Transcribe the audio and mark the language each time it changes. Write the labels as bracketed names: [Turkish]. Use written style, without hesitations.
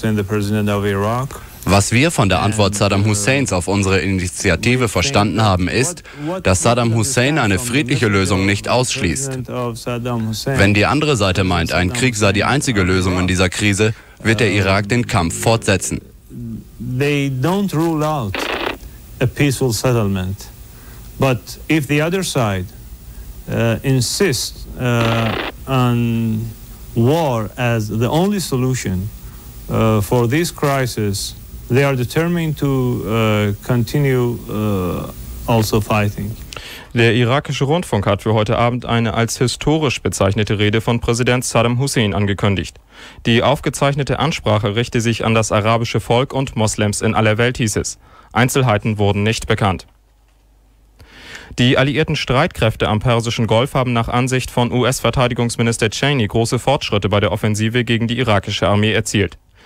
[German] Was wir von der Antwort Saddam Husseins auf unsere Initiative verstanden haben, ist, dass Saddam Hussein eine friedliche Lösung nicht ausschließt. Wenn die andere Seite meint, ein Krieg sei die einzige Lösung in dieser Krise, wird der Irak den Kampf fortsetzen. [English] They don't rule out a peaceful settlement, but if the other side insists on war as the only solution for this crisis, they are determined to continue also fighting. [German] Der irakische Rundfunk hat für heute Abend eine als historisch bezeichnete Rede von Präsident Saddam Hussein angekündigt. Die aufgezeichnete Ansprache richte sich an das arabische Volk und Moslems in aller Welt, hieß es. Einzelheiten wurden nicht bekannt. Die alliierten Streitkräfte am Persischen Golf haben nach Ansicht von US-Verteidigungsminister Cheney große Fortschritte bei der Offensive gegen die irakische Armee erzielt.